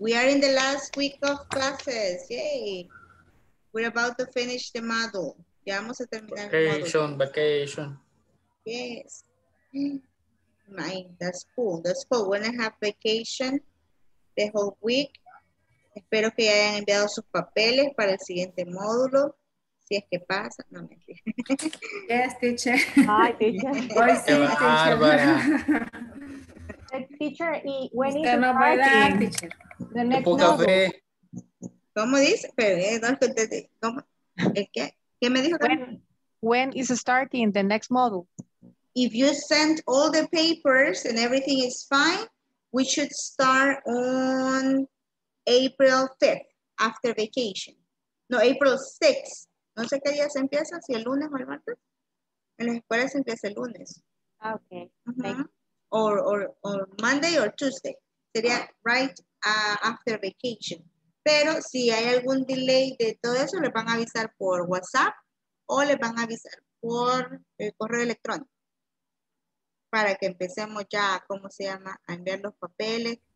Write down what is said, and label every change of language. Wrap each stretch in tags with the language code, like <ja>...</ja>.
<en>We are in the last week of classes. Yay. We're about to finish the module.</en> <es>Ya vamos a terminar.</es> <en>Vacation, vacation. Yes. My, that's cool. That's cool. We're going to have vacation the whole week.</en> <es>Espero que hayan enviado sus papeles para el siguiente módulo. Si es que pasa, no me entiendo.</es> <en>Yes, teacher. Hi, teacher.</en> <es>Hoy sí, teacher. Bárbara.</es> <en>Teacher, ¿y when is</en> <es>no</es> <en>the party?</en> <es>Verdad, teacher.</es> <en>The next</en> <es>café. ¿Cómo dice? Pero, ¿cómo? ¿El qué? ¿Qué me dijo?</es> <en>When is starting the next module? If you send all the papers and everything is fine, we should start on April 5th after vacation. No, April 6th.</en> <es>No sé qué día se empieza, si el lunes o el martes. En las escuelas se empieza el lunes.</es> <en>Okay. Uh-huh. Or Monday or Tuesday. Sería right after vacation.</en> <es>Pero si hay algún delay de todo eso, le van a avisar por WhatsApp o le van a avisar por el correo electrónico para que empecemos ya, ¿cómo se llama?, a enviar los papeles.</es>